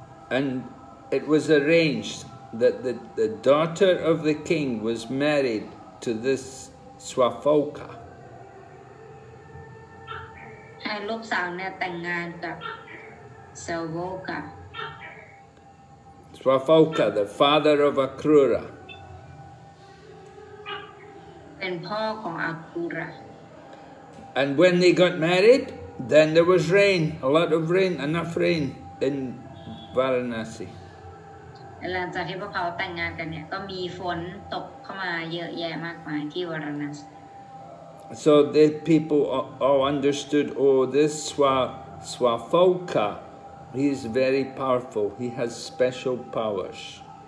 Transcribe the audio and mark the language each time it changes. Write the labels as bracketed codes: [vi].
[en] And it was arranged that the daughter of the king was married to this Swafauka. [th] ให้ลูกสาวเนี่ยแต่งงานกับสาวโวคา [en] สวาฟาวคา the father of Akrura [th] เป็นพ่อของอัครุระ [en] and when they got married then there was rain a lot of rain enough rain in Varanasi [th] หลังจากที่พวกเขาแต่งงานกันเนี่ยก็มีฝนตกเข้ามาเยอะแยะมากมายที่วารานาสี [en] So the people all understood, oh, this Swafauka, he is very powerful. He has special powers.